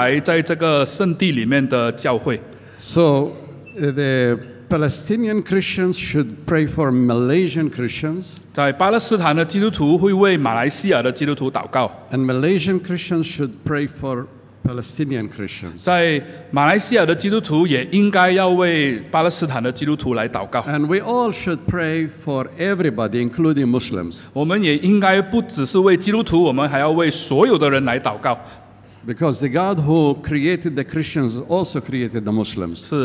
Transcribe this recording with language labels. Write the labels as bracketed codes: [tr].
[zh] 这将会伤害到在未来在这个圣地里面的教会。 [en] So the Palestinian Christians should pray for Malaysian Christians. [zh] 在巴勒斯坦的基督徒会为马来西亚的基督徒祷告。 [en] And Malaysian Christians should pray for Palestinian Christians. [zh] 在马来西亚的基督徒也应该要为巴勒斯坦的基督徒来祷告。 [en] And we all should pray for everybody, including Muslims. [zh] 我们也应该不只是为基督徒，我们还要为所有的人来祷告。 [en] Because the God who created the Christians also created the Muslims.